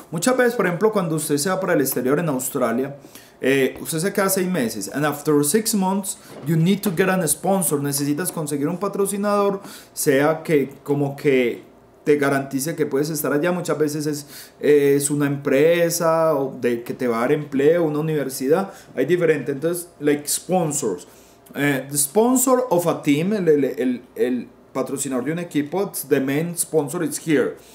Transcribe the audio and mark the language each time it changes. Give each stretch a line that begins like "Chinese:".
Spanish: Muchas veces, por ejemplo, cuando usted se va para el exterior en Australia, usted se queda 6 meses.
English: And after 6 months, you need to get an sponsor.
Spanish: Necesitas conseguir un patrocinador, sea que como que te garantice que puedes estar allá. Muchas veces es una empresa o de que te va a dar empleo, una universidad. Hay diferentes, entonces,
English: like sponsors. The sponsor of a team,
Spanish: el patrocinador de un equipo,
English: the main sponsor is here.